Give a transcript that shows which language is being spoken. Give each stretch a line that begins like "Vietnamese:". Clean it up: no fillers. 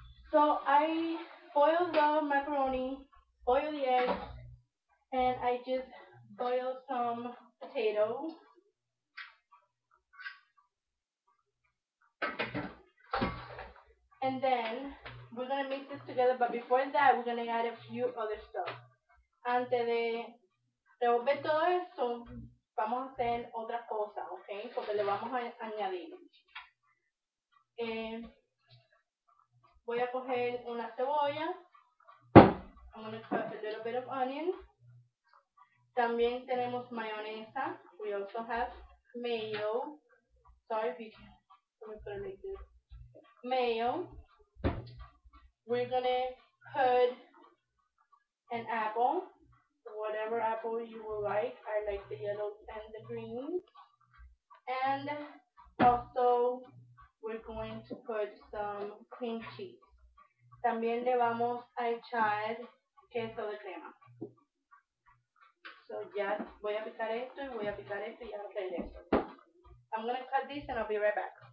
English: So, I boiled the macaroni, boiled the eggs, and I just boiled some potatoes. And then we're gonna mix this together, but before that, we're gonna add a few other stuff.
Spanish: Antes de revolver todo eso, vamos a hacer otra cosa, ¿ok? Porque le vamos a añadir. Voy a coger una cebolla.
English: I'm gonna cut a little bit of onion.
Spanish: También tenemos mayonesa.
English: We also have mayo. Sorry if you can't. I'm gonna put it like this. Mayo. We're gonna cut an apple, whatever apple you will like. I like the yellow and the green. And also, we're going to put some cream cheese.
Spanish: También le vamos a echar queso de crema. So, ya voy a picar esto y voy a picar esto y ya voy a hacer esto.
English: I'm gonna cut this and I'll be right back.